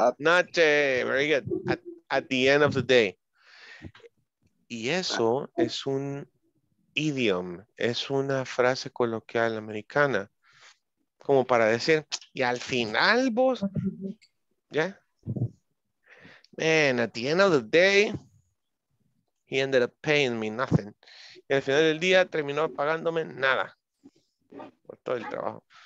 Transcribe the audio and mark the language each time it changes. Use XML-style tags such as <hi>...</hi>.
<en>Noche, very good. At the end of the day.</en> <es>Y eso es un idiom, es una frase coloquial americana, como para decir, y al final vos, ¿ya?</es> <en>Man, at the end of the day, he ended up paying me nothing.</en> <es>Y al final del día terminó pagándome nada por todo el trabajo.</es>